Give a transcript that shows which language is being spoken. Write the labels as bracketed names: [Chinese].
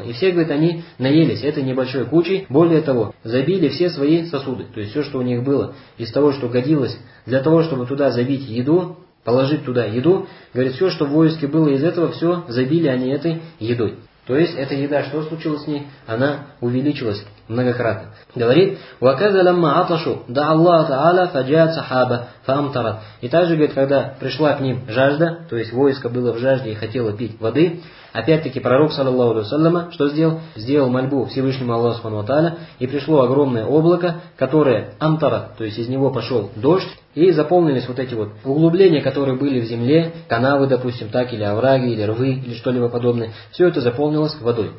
[Russian] И все, говорит, они наелись этой небольшой кучей, более того, забили все свои сосуды, то есть все, что у них было, из того, что годилось, для того, чтобы туда забить еду, положить туда еду, говорит, все, что в войске было из этого, все забили они этой едой. То есть эта еда, что случилось с ней, она увеличилась многократно. Говорит, [Arabic] وَكَذَ لَمَّا عَطَشُوا دَعَ اللَّهَ تَعَالَى فَجَاءَتْ صَحَابَ فَأَمْطَرَتْ. [Russian] И также, говорит, когда пришла к ним жажда, то есть войско было в жажде и хотело пить воды, опять-таки пророк, саллаллаху алейхи ва саллям, что сделал? Сделал мольбу Всевышнему Аллаху субхану ва тааля, и пришло огромное облако, которое амтара, то есть из него пошел дождь, и заполнились вот эти вот углубления, которые были в земле, канавы, допустим, так, или овраги, или рвы, или что-либо подобное, все это заполнилось водой.